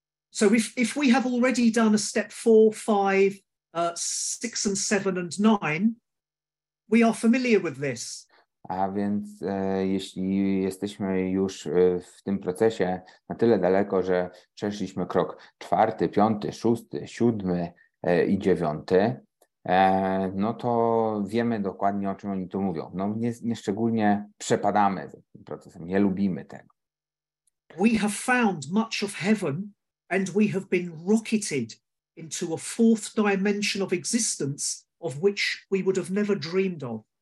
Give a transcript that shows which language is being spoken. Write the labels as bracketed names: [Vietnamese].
[English] So if we have already done a step 4, 5, 6 and 7 and 9, we are familiar with this. [Polish] A więc jeśli jesteśmy już w tym procesie na tyle daleko, że przeszliśmy krok 4, 5, 6, 7 i 9, no to wiemy dokładnie, o czym oni tu mówią. No nie szczególnie przepadamy za tym procesem, nie lubimy tego. [English] We have found much of heaven and we have been rocketed into a fourth dimension of existence of which we would have never dreamed of.